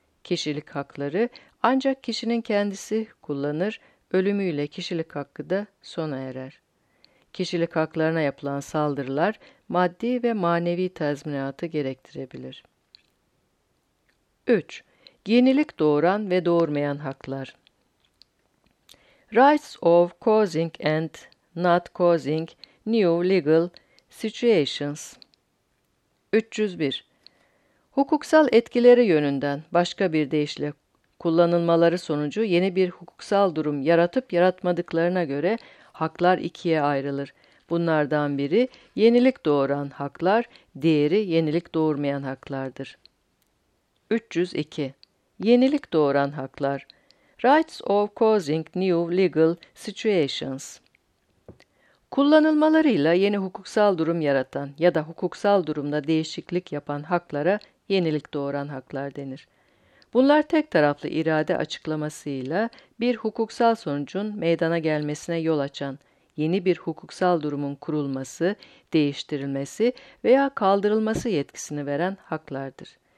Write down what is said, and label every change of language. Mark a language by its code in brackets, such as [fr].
[tr] Kişilik hakları ancak kişinin kendisi kullanır, ölümüyle kişilik hakkı da sona erer. Kişilik haklarına yapılan saldırılar maddi ve manevi tazminatı gerektirebilir. 3. Yenilik doğuran ve doğurmayan haklar. [en] Rights of causing and not causing new legal situations. [tr] 301. Hukuksal etkileri yönünden başka bir deyişle kullanılmaları sonucu yeni bir hukuksal durum yaratıp yaratmadıklarına göre haklar ikiye ayrılır. Bunlardan biri yenilik doğuran haklar, diğeri yenilik doğurmayan haklardır. 302. Yenilik doğuran haklar. [en] Rights of causing new legal situations. [tr] Kullanılmalarıyla yeni hukuksal durum yaratan ya da hukuksal durumda değişiklik yapan haklara yenilik doğuran haklar denir. Bunlar tek taraflı irade açıklamasıyla bir hukuksal sonucun meydana gelmesine yol açan, yeni bir hukuksal durumun kurulması, değiştirilmesi veya kaldırılması yetkisini veren haklardır.